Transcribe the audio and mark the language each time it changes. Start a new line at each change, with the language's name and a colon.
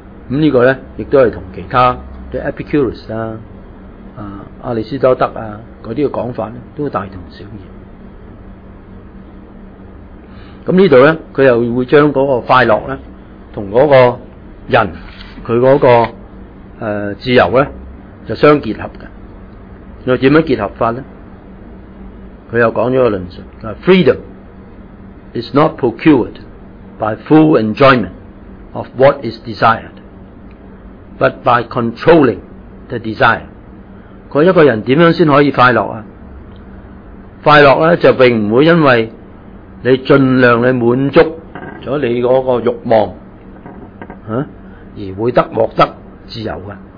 Chinese: 这个呢也都是跟其他的 Epicurus 啊，阿里斯多德啊，那些讲法呢都大同小异。那这里呢他又会将那个快乐呢跟那个人他那个自由呢就相结合的。那怎样结合法呢？他又讲了一个论述，
English: Freedom is not procured by full enjoyment of what is desired, but by controlling the desire.
Chinese: 他一个人怎样才可以快乐啊？快乐呢就并不会因为你尽量你满足了你那个欲望，而会得获得自由的。